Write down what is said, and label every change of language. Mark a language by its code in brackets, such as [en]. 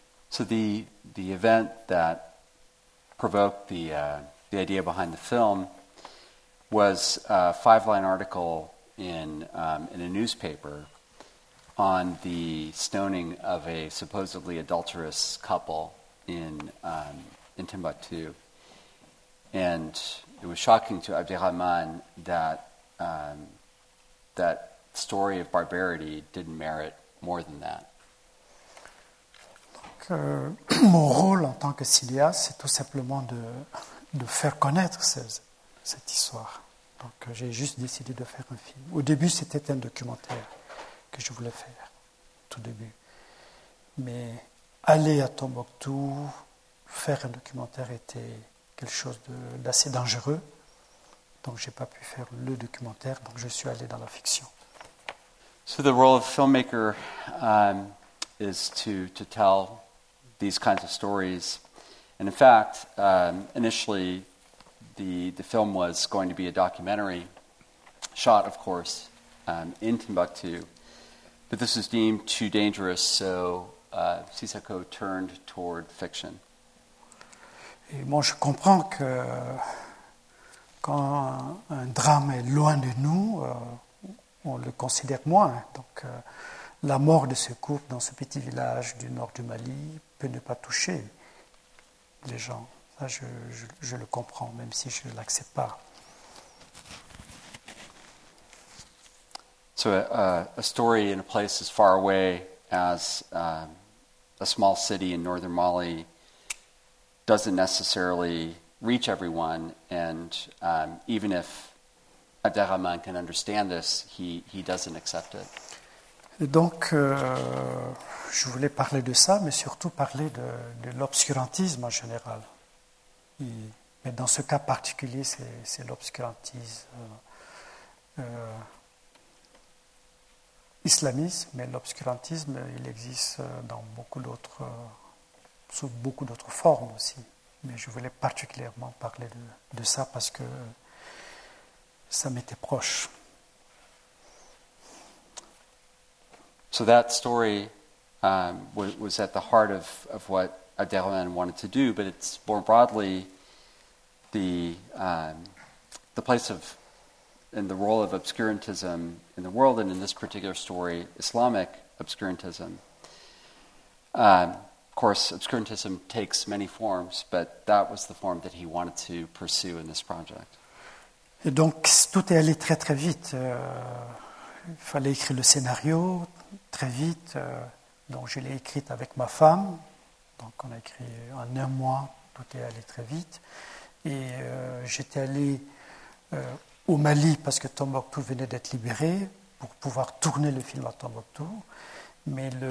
[en] So the event that provoked the idea behind the film was a five-line article in a newspaper on the stoning of a supposedly adulterous couple in Timbuktu. And it was shocking to Abderrahmane that that story of barbarity didn't merit more than that. [fr] Mon rôle en tant que cinéaste, c'est tout simplement de faire connaître cette histoire. Donc j'ai juste décidé de faire un film. Au début, c'était un documentaire que je voulais faire, tout début. Mais aller à Tombouctou, faire un documentaire était quelque chose d'assez dangereux. Donc j'ai pas pu faire le documentaire, donc je suis allé dans la fiction. [en] So the role of filmmaker is to tell these kinds of stories. And in fact, initially, the film was going to be a documentary, shot, of course, in Timbuktu. But this was deemed too dangerous, so Sisako turned toward fiction. [fr] Et moi, je comprends que quand un drame est loin de nous, on le considère moins. Donc, la mort de ce couple dans ce petit village du nord du Mali peut ne pas toucher les gens. Ça, je le comprends, même si je ne l'accepte pas. [en] So a story in a place as far away as a small city in northern Mali doesn't necessarily reach everyone, and even if Abderrahmane can understand this, he doesn't accept it. [fr] Et donc, je voulais parler de ça, mais surtout parler de l'obscurantisme en général. Mais dans ce cas particulier, c'est l'obscurantisme islamiste, mais l'obscurantisme, il existe dans beaucoup d'autres, sous beaucoup d'autres formes aussi. Mais je voulais particulièrement parler de ça parce que ça m'était proche. [en] So that story was at the heart of what Abderrahmane wanted to do, but it's more broadly the place of and the role of obscurantism in the world, and in this particular story, Islamic obscurantism. Of course, obscurantism takes many forms, but that was the form that he wanted to pursue in this project. [fr] Et donc, tout est allé très très vite. Il fallait écrire le scénario très vite, donc je l'ai écrite avec ma femme, donc on a écrit en un mois, tout est allé très vite, et j'étais allé au Mali parce que Tombouctou venait d'être libéré pour pouvoir tourner le film à Tombouctou, mais